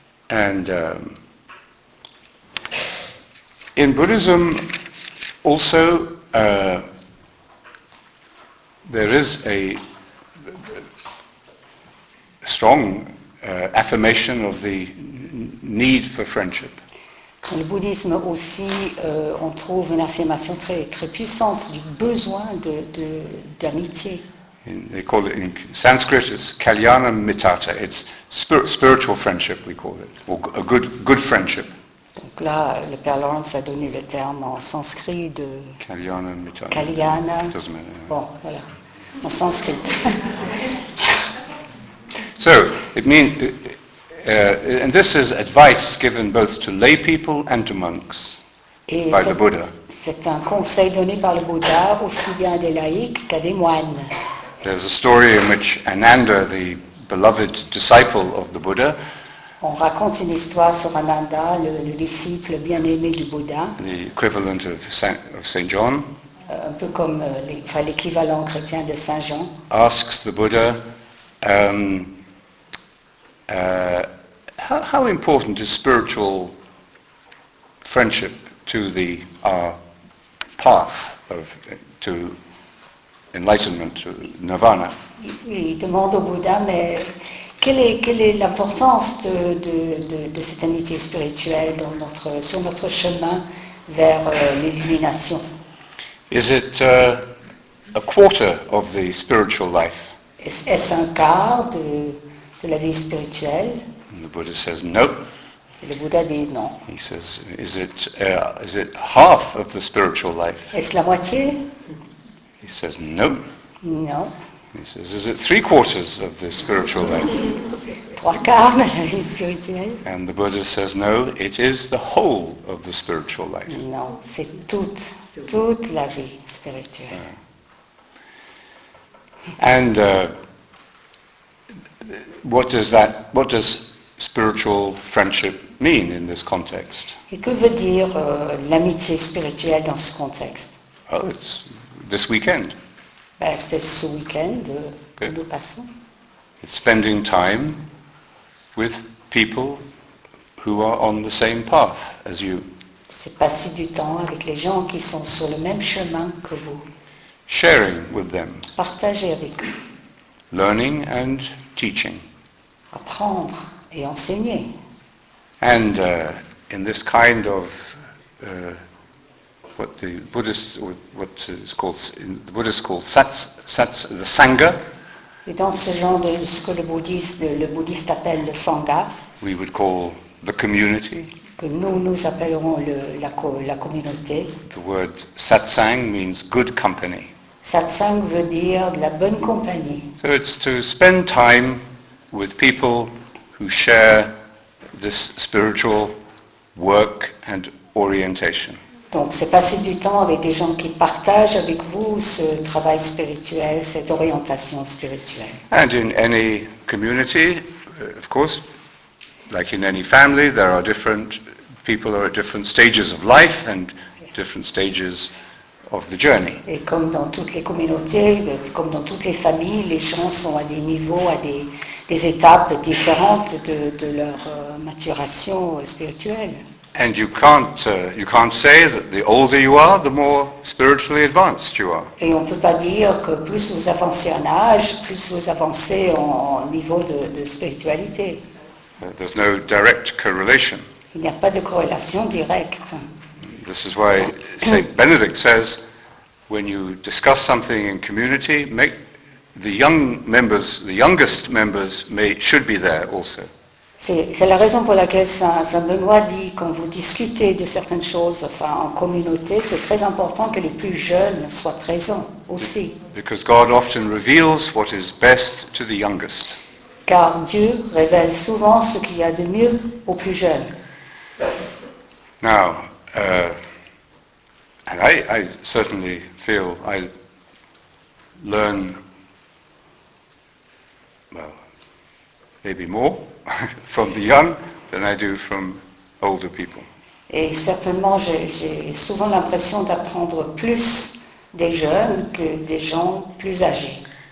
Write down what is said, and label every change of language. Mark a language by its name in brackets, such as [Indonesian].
[English] And in Buddhism also there is a strong affirmation of the need for friendship. [French] Dans le bouddhisme aussi, on trouve une affirmation très, très puissante du besoin d'amitié. [English] They call it in Sanskrit, it's kalyanamitata. It's spiritual friendship, we call it, or a good friendship. [French] Donc là, le Père Lawrence a donné le terme en sanskrit de [Sanskrit] Kalyanamitata. kalyana. [English] Doesn't matter. [French] Bon, voilà. En sanskrit. [English] So it means, and this is advice given both to lay people and to monks [French] Et [English] by the Buddha. [French] c'est un conseil donné par le Bouddha aussi bien à des laïcs qu'à des moines. [English] There's a story in which Ananda, the beloved disciple of the Buddha, [French] On raconte une histoire sur Ananda, le disciple bien-aimé du Bouddha. [English] the equivalent of Saint John. [French] Un peu comme l'équivalent chrétien de Saint Jean. [English] Asks the Buddha, how important is spiritual friendship to the path of to enlightenment, to nirvana? [French] Il demande au Bouddha, mais quelle est l'importance de cette amitié spirituelle sur notre chemin vers l'illumination? [English] Is it a quarter of the spiritual life? [French] Est-ce un quart de la vie spirituelle? [English] And the Buddha says no. [French] Le Bouddha dit non. [English] He says, is it half of the spiritual life? [French] Est-ce la moitié? [English] He says no. [French] Non. [English] He says, is it three quarters of the spiritual life? [French] Trois quarts de la vie spirituelle? [English] And the Buddha says no, it is the whole of the spiritual life. [French] Non, c'est toute la vie spirituelle. [English] What does spiritual friendship mean in this context? [French] Et que veut dire l'amitié spirituelle dans ce contexte? [English] Oh, it's this weekend. [French] C'est ce week-end que nous passons. [English] It's spending time with people who are on the same path as you. [French] C'est passer du temps avec les gens qui sont sur le même chemin que vous. [English] Sharing with them. [French] Partager avec eux. [English] Learning and teaching. [French] Apprendre et enseigner. [English] And in this kind of what the Buddhists or what is called in the Buddhists called sats the sangha. [French] Et dans ce genre de ce que le bouddhiste appelle le sangha. [English] We would call the community. [French] Que nous appellerons la communauté. [English] The word satsang means good company. [French] Satsang veut dire de la bonne compagnie. [English] So it's to spend time with people who share this spiritual work and orientation. [French] Donc c'est passer du temps avec des gens qui partagent avec vous ce travail spirituel, cette orientation spirituelle. [English] And in any community, of course, like in any family, there are different people are at different stages of life and different stages of the journey. [French] Et comme dans toutes les communautés, comme dans toutes les familles, les gens sont à des niveaux, à des étapes différentes de leur maturation spirituelle. [English] And you can't say that the older you are, the more spiritually advanced you are. [French] Et on peut pas dire que plus vous avancez en âge, plus vous avancez en niveau de spiritualité. [English] There's no direct correlation. [French] Il n'y a pas de corrélation directe. [English] This is why Saint Benedict says, when you discuss something in community, make the young members, the youngest members, should be there also. [French] C'est la raison pour laquelle Saint Benoît dit quand vous discutez de certaines choses, enfin en communauté, c'est très important que les plus jeunes soient présents aussi. [English] Because God often reveals what is best to the youngest. [French] Car Dieu révèle souvent ce qu'il y a de mieux aux plus jeunes. [English] Now, and I certainly feel I learn well, maybe more from the young than I do from older people. [French] Et certainement, j'ai souvent l'impression d'apprendre plus des jeunes que des gens plus âgés.